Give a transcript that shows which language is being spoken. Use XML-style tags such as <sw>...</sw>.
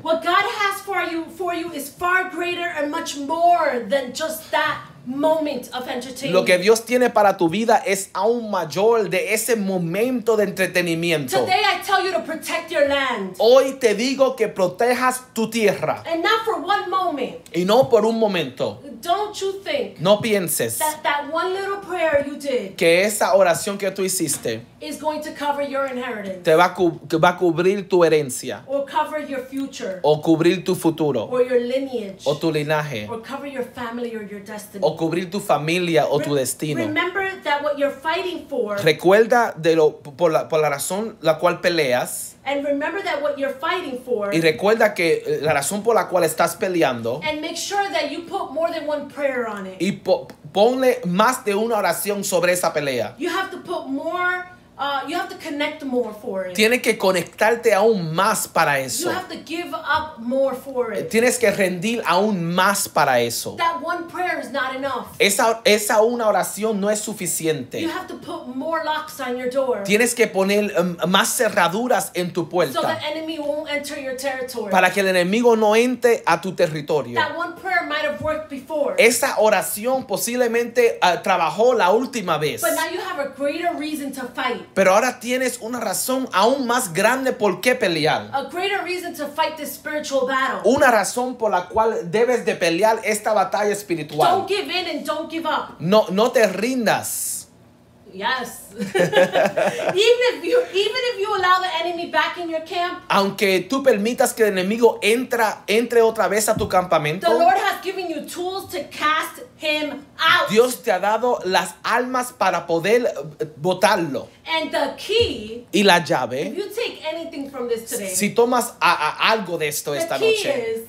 <en>What God has for you is far greater and much more than just that. Moment of entertainment.</en> <es>Lo que Dios tiene para tu vida es aún mayor de ese momento de entretenimiento.</es> <en>Today I tell you to protect your land.</en> <es>Hoy te digo que protejas tu tierra.</es> <en>And not for one moment.</en> <es>Y no por un momento.</es> <en>Don't you think?</en> <es>No pienses.</es> <en>That one little prayer you did.</en> <es>Que esa oración que tú hiciste.</es> <en>Is going to cover your inheritance.</en> <es>Te va a cubrir tu herencia.</es> <en>Or cover your future.</en> <es>O cubrir tu futuro.</es> <en>Or your lineage.</en> <es>O tu linaje.</es> <en>Or cover your family or your destiny.</en> <es>O cubrir tu familia o tu destino.</es> <en>Remember that what you're fighting for.</en> <es>Recuerda de lo por la razón la cual peleas.</es> <en>And remember that what you're fighting for.</en> <es>Y recuerda que la razón por la cual estás peleando.</es> <en>And make sure that you put more than one prayer on it.</en> <es>Y ponle más de una oración sobre esa pelea.</es> <en>You have to put more. You have to connect more for it.</en> <es>Tienes que conectarte aún más para eso.</es> <en>You have to give up more for it.</en> <es>Tienes que rendir aún más para eso.</es> <en>That one prayer is not enough.</en> <es>Esa una oración no es suficiente.</es> <en>You have to put more locks on your door.</en> <es>Tienes que poner más cerraduras en tu puerta.</es> <en>So the enemy won't enter your territory.</en> <es>Para que el enemigo no entre a tu territorio.</es> <en>That one prayer might have worked before.</en> <es>Esa oración posiblemente trabajó la última vez.</es> <en>But now you have a greater reason to fight.</en> <es>Pero ahora tienes una razón aún más grande por qué pelear.</es> <en>A greater reason to fight this spiritual battle.</en> <es>Una razón por la cual debes de pelear esta batalla espiritual.</es> <en>Don't give in and don't give up.</en> <es>No te rindas.</es> <en>Yes. even if you allow the enemy back in your camp.</en> <es>Aunque tú permitas que el enemigo entre otra vez a tu campamento.</es> <en>The Lord has given you tools to cast him out.</en> <es>Dios te ha dado las almas para poder botarlo.</es> <en>And the key.</en> <es>Y la llave.</es> <en>If you take anything from this today.</en> <es>Si tomas a algo de esto esta noche.</es>